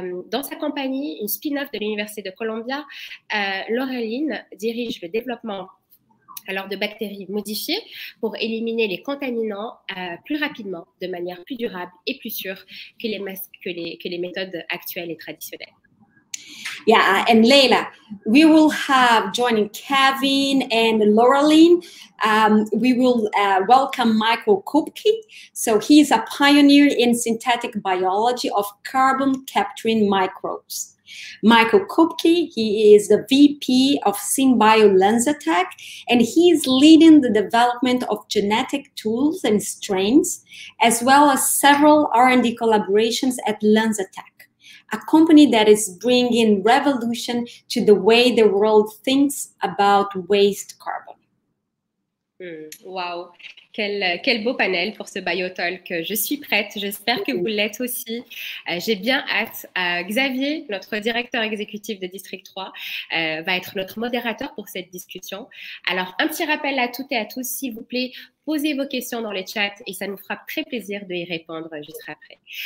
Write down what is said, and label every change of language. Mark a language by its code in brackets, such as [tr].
[fr] Dans sa compagnie, une spin-off de l'Université de Columbia, Laureline dirige le développement alors de bactéries modifiées pour éliminer les contaminants plus rapidement, de manière plus durable et plus sûre que les méthodes actuelles et traditionnelles. [en] Yeah, and Leila, we will have joining Kevin and Laureline. We will welcome Michael Kupke. So he is a pioneer in synthetic biology of carbon capturing microbes. Michael Kupke, he is the VP of SynBio LenzaTech, and he is leading the development of genetic tools and strains, as well as several R&D collaborations at LenzaTech. a company that is bringing revolution to the way the world thinks about waste carbon. [fr] Wow, quel beau panel pour ce BioTalk. Je suis prête, j'espère que vous l'êtes aussi. J'ai bien hâte. Xavier, notre directeur exécutif de District 3, va être notre modérateur pour cette discussion. Alors, un petit rappel à toutes et à tous, s'il vous plaît, posez vos questions dans les chats et ça nous fera très plaisir de y répondre juste après.